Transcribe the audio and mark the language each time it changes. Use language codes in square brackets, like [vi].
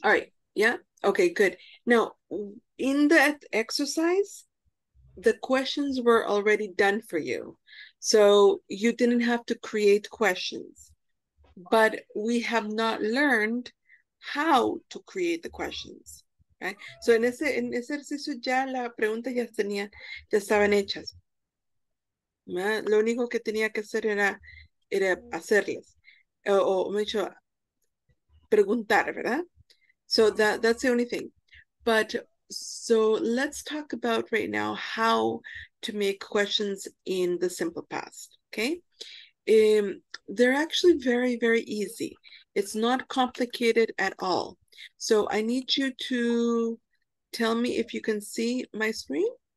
[en] All right. Yeah. Okay, good. Now, in that exercise, the questions were already done for you. So you didn't have to create questions. But we have not learned how to create the questions. Okay. [es] So en ese ejercicio ya las preguntas ya estaban hechas. Lo único que tenía que hacer era hacerles, o me dicho, preguntar, ¿verdad? [en] So that's the only thing. But so let's talk about right now how to make questions in the simple past, okay? They're actually very, very easy. It's not complicated at all. So I need you to tell me if you can see my screen.